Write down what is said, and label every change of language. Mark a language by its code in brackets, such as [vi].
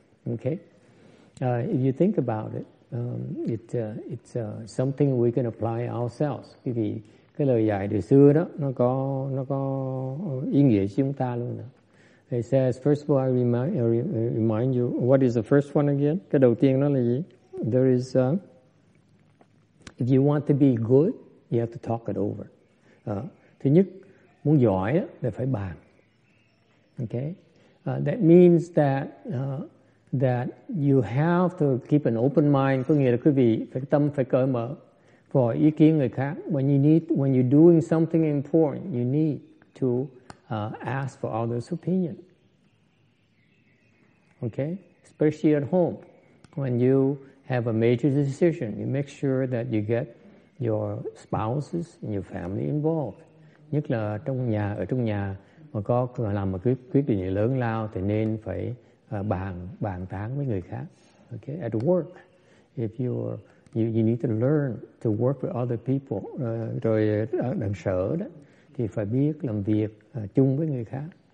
[en] Okay, if you think about it, it's something we can apply ourselves. [vi] Vì cái lời dạy từ xưa đó nó có ý nghĩa cho chúng ta luôn đó. [en] It says, first of all, I remind you, what is the first one again? [vi] Cái đầu tiên đó là gì? [en] There is, if you want to be good, you have to talk it over. [vi] Thứ nhất, muốn giỏi thì phải bàn. [en] Okay, that means that that you have to keep an open mind. [vi] Có nghĩa là quý vị phải tâm phải cởi mở for ý kiến người khác. [en] When you're doing something important, you need to ask for others' opinion. Okay, especially at home, when you have a major decision, you make sure that you get your spouses and your family involved. [vi] Nhất là ở trong nhà mà có làm một quyết định lớn lao thì nên phải bàn tán với người khác. [en] Okay, at work, if you're you need to learn to work with other people. [vi] Rồi đằng sở đó thì phải biết làm việc chung với người khác.